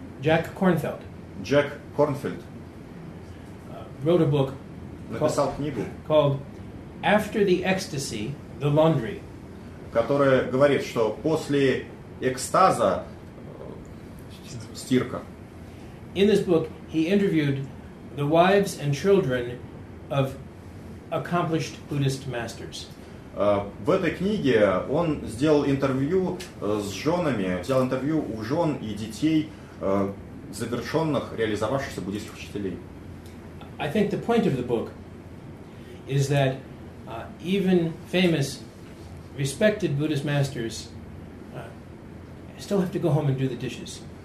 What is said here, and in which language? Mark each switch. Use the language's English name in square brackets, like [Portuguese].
[English] Jack Kornfeld. Jack Kornfeld. Wrote a book. [Russian] Написал [English] called, [Russian] книгу. [English] Called After the Ecstasy, the Laundry. [Russian] Которая говорит, что после экстаза стирка. [English] In this book, he interviewed the wives and children of accomplished Buddhist masters. [Russian] В этой книге он сделал интервью с женами, взял интервью у жен и детей завершенных, реализовавшихся буддийских учителей. [English] I think the point of the book is that even famous, respected Buddhist masters still have to go home and do the dishes.